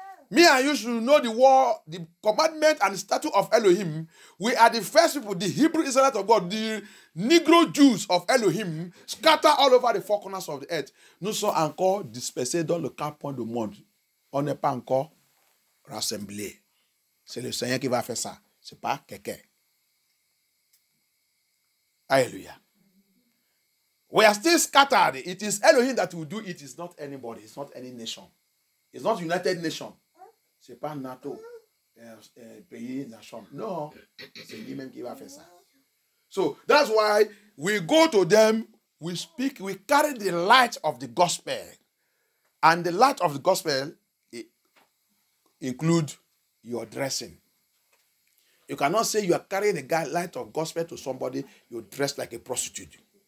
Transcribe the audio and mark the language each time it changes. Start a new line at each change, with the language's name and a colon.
English: Me and you should know the war, the commandment and the statue of Elohim. We are the first people, the Hebrew Israelites of God, the Negro Jews of Elohim, scattered all over the four corners of the earth.
French: Nous sommes encore dispersés dans le quatre points du monde. On n'est pas encore rassemblés. C'est le Seigneur qui va faire ça. Ce n'est pas quelqu'un.
English: Alléluia. We are still scattered. It is Elohim that will do it. It is not anybody. It's not any nation. It's not United Nations.
French: Ce n'est pas NATO, pays, nation. Non, c'est lui-même qui va faire ça.
English: So, that's why we go to them, we speak, we carry the light of the gospel. And the light of the gospel includes your dressing. You cannot say you are carrying the light of gospel to somebody, you dress like a prostitute.